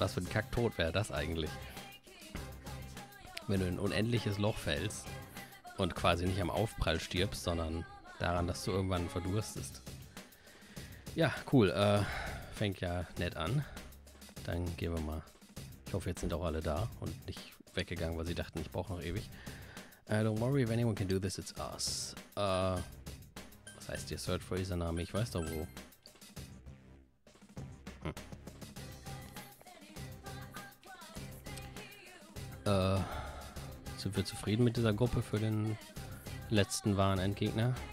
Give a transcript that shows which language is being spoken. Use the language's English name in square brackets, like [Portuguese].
[German] Was für ein Kacktod wäre das eigentlich? Wenn du in ein unendliches Loch fällst und quasi nicht am Aufprall stirbst, sondern daran, dass du irgendwann verdurstest. Ja, cool. Fängt ja nett an. Dann gehen wir mal. Ich hoffe, jetzt sind auch alle da und nicht weggegangen, weil sie dachten, ich brauche noch ewig. [English] Don't worry, if anyone can do this, it's us. [German] Was heißt hier? [English] Search for [German] dieser Name. Ich weiß doch wo. Sind wir zufrieden mit dieser Gruppe für den letzten wahren Endgegner?